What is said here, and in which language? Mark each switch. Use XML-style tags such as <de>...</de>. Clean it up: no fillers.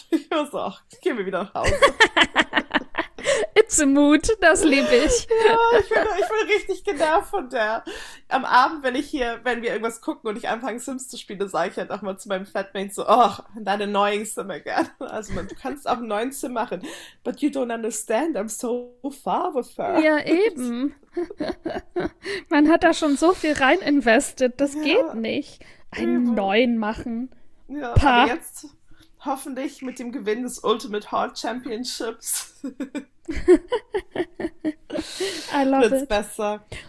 <de>Ich muss auch, gehen wir wieder nach Hause.</de> <en>It's a mood,</en> <de>das liebe ich. Ja, ich bin richtig genervt von der. Am Abend, wenn wir irgendwas gucken und ich anfange Sims zu spielen, sage ich halt auch mal zu meinem Flatmate so, oh, deine neuen Zimmer gerne. Also du kannst auch einen neuen Sim machen.</de> <en>But you don't understand, I'm so far with her.</en> <de>Ja, eben. Man hat da schon so viel rein investiert, das geht nicht. Einen neuen machen. Ja, aber jetzt hoffentlich mit dem Gewinn des Ultimate Hall Championships.</de> <en>I love</en> <de>wird's</de> <en>it.</en> <de>Besser.</de>